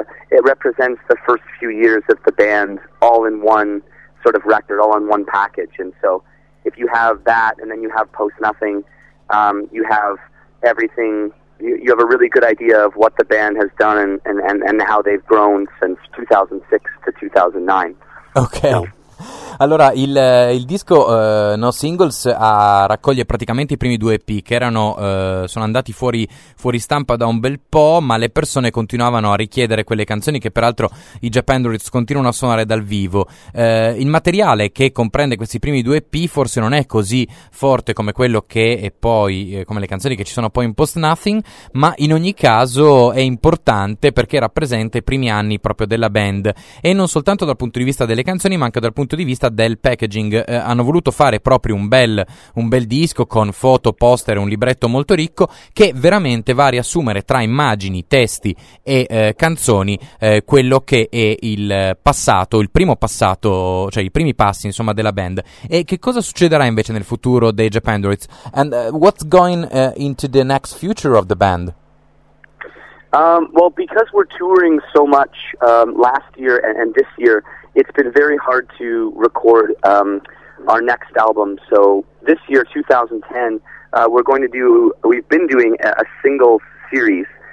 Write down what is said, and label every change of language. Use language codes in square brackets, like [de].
[en] It represents the first few years of the band all in one sort of record, all in one package. And so if you have that and then you have Post Nothing, you have everything, you have a really good idea of what the band has done and how they've grown since 2006 to 2009. Okay. [it] So, allora, il disco No Singles raccoglie praticamente i primi due EP che sono andati fuori stampa da un bel po', ma le persone continuavano a richiedere quelle canzoni che peraltro i Japandroids continuano a suonare dal vivo. Il materiale che comprende questi primi due EP forse non è così forte come quello che è poi come le canzoni che ci sono poi in Post Nothing, ma in ogni caso è importante perché rappresenta i primi anni proprio della band, e non soltanto dal punto di vista delle canzoni ma anche dal punto di vista del packaging. Hanno voluto fare proprio un bel disco con foto, poster, un libretto molto ricco che veramente va a riassumere tra immagini, testi e canzoni quello che è il passato, il primo passato, cioè i primi passi insomma della band. E che cosa succederà invece nel futuro dei Japandroids? [en] And what's going into the next future of the band? Well, because we're touring so much last year and this year, it's been very hard to record our next album. So this year, 2010, we've been doing a single series.